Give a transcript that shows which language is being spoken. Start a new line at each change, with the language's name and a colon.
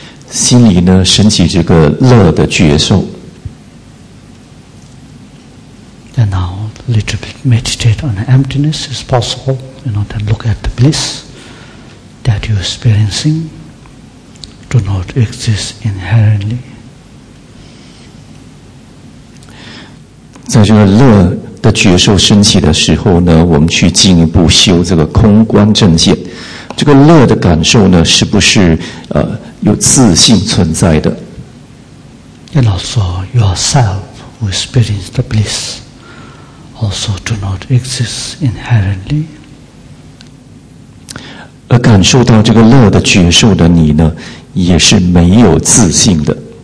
Chinese: 心里呢，升起这个乐的觉受。
English: And now, a little bit meditate on the emptiness is possible. You know, then look at the bliss that you're experiencing. Do not exist inherently.
Chinese: 在这个乐的觉受升起的时候呢，我们去进一步修这个空观正见。这个乐的感受呢，是不是有自信存在的
English: ？And also yourself who experience the bliss also do not exist inherently.
Chinese: 而感受到这个乐的觉受的你呢，也是没有自信的。